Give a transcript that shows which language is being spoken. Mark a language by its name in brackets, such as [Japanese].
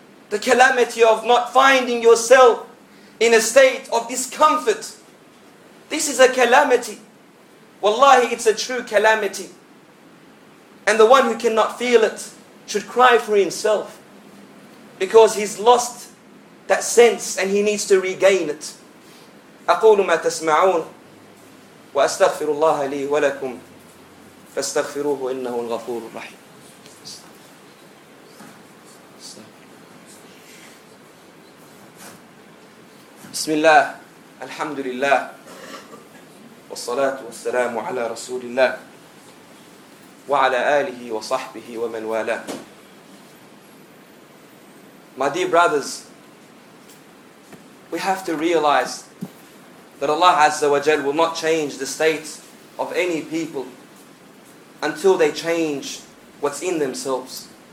[English] The calamity of not finding yourself in a state of discomfort. This is a calamity. Wallahi, it's a true calamity. And the one who cannot feel it should cry for himself, because he's lost that sense and he needs to regain it. [Arabic] أقول ما تسمعون وأستغفر الله لي ولكم فاستغفروه إنه الغفور الرحيم. بسم الله الحمد لله والصلاة والسلام على رسول الله وعلى آله وصحبه ومن والاه. [English] My dear brothers, we have to realize that Allah Azza wa Jal will not change the state of any people until they change what's in themselves.